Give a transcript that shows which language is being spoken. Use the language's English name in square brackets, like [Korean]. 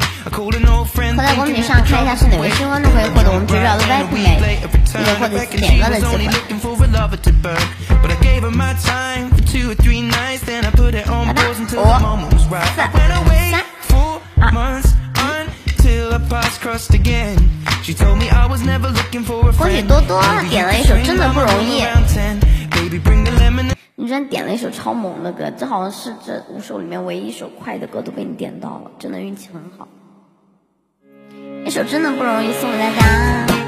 [Chinese] 扣在公屏上，看一下是哪位新观众可以获得我们九九幺的 VIP 美，一个获得点歌的机会。 [English] But I gave her my time for two or three nights, then I put it on pause until the moment was right. I went away four months until our paths crossed again. She told me I was never looking for a friend. [Chinese] 恭喜多多点了一首《真的不容易》。 [English] Baby, bring the lemon. [Chinese] 你居然点了一首超猛的歌，这好像是这五首里面唯一一首快的歌都被你点到了，真的运气很好。一首《真的不容易》送给大家。